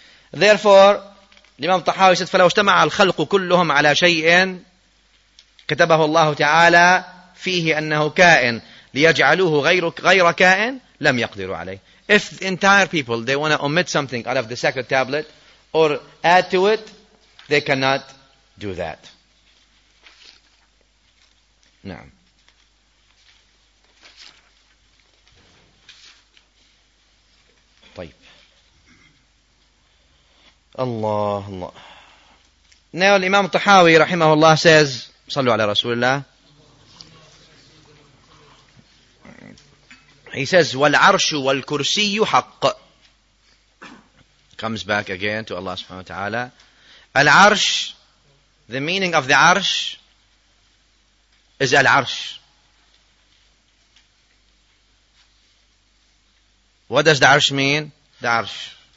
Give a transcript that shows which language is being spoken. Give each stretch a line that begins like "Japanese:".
English: Therefore, Imam Tahawi said,
Arabic: فَلَوْ اجْتَمَعَ الْخَلْقُ كُلُّهُمْ عَلَى شَيْءٍ كَتَبَهُ اللَّهُ تَعَالَى فِيهِ أَنَّهُ كَائِنْ لِيَجْعَلُوهُ غَيْرَ كَائِنْ لَمْ يَقْدِرُوا عَلَيْهِ.
English: If the entire people, they want to omit something out of the sacred tablet or add to it, they cannot do that.
Arabic: نعم. طيب. الله الله.
English: Now Imam Tahawi,
Arabic: رحمه الله,
English: says,
Arabic: صلوا على رسول الله.
English: He says,
Arabic: وَالْعَرْشُ وَالْكُرْسِيُّ حَقٌّ.
English: Comes back again to Allah subhanahu wa ta'ala. Al-Arsh, the meaning of the Arsh is Al-Arsh. What does the Arsh mean? The Arsh.